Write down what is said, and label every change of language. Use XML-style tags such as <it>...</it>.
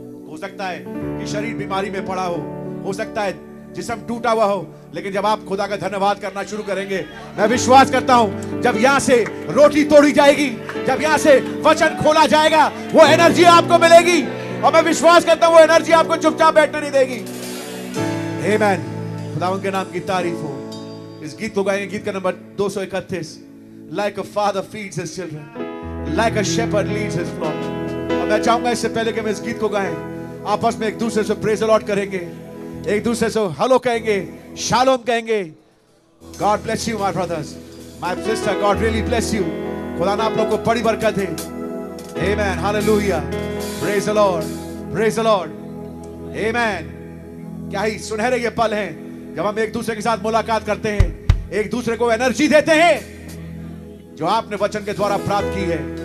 <hi>हो सकता है कि शरीर बीमारी में पड़ा हो सकता है जिस्म टूटा हुआ हो, लेकिन जब आप खुदा का धन्यवाद करना शुरू करेंगे, मैं विश्वास करता हूं जब यहां से रोटी तोड़ी जाएगी, जब यहां से वचन खोला जाएगा, वो एनर्जी आपको मिलेगी, और मैं विश्वास करता हूं वो एनर्जी आपको चुपचाप बैठने नहीं देगी।</hi> <en>Amen.</en> <hi>खुदा उनके नाम की तारीफ हो। इस गीत को गाएंगे, गीत का number 231,</hi> <en>Like a father feeds his children, like a shepherd leads his flock.</en> <hi>और मैं चाहूंगा इससे पहले कि मैं इस गीत को गाएं, आपस में एक दूसरे से</hi> <en>praise the Lord</en> <hi>करेंगे, एक दूसरे से हेलो कहेंगे, शालोम कहेंगे।</hi> <en>God bless you my brothers, my sister, God really bless you.</en> <hi>खुदा ने आप लोगों को बड़ी बरकत दे।</hi> <en>Amen, hallelujah. Praise the Lord, praise the Lord. Amen.</en> <hi>क्या ही सुनहरे ये पल हैं जब हम एक दूसरे के साथ मुलाकात करते हैं, एक दूसरे को एनर्जी देते हैं जो आपने वचन के द्वारा प्राप्त की है।</hi>